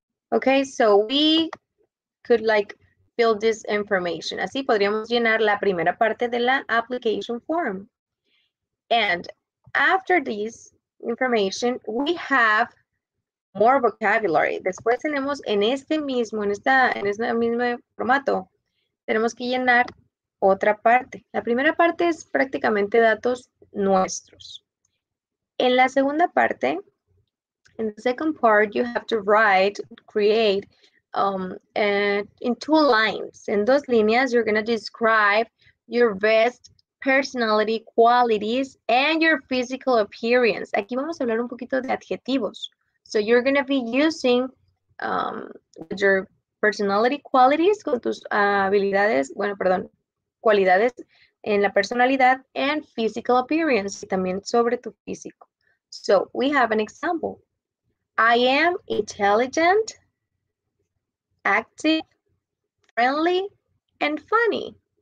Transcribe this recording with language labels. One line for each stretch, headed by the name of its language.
English: Okay, so we could like fill this information.
Spanish: Así podríamos llenar la primera parte de la application form.
English: And after this information, we have more vocabulary.
Spanish: Después tenemos en este mismo, en este mismo formato, tenemos que llenar otra parte. La primera parte es prácticamente datos nuestros. En la segunda parte,
English: in the second part, you have to write, create, in two lines.
Spanish: En dos líneas,
English: you're going to describe your best personality qualities and your physical appearance.
Spanish: Aquí vamos a hablar un poquito de adjetivos.
English: So you're going to be using your personality qualities,
Spanish: con tus habilidades, bueno, perdón, cualidades en la personalidad,
English: and physical appearance,
Spanish: también sobre tu físico.
English: So we have an example. I am intelligent, active, friendly, and funny.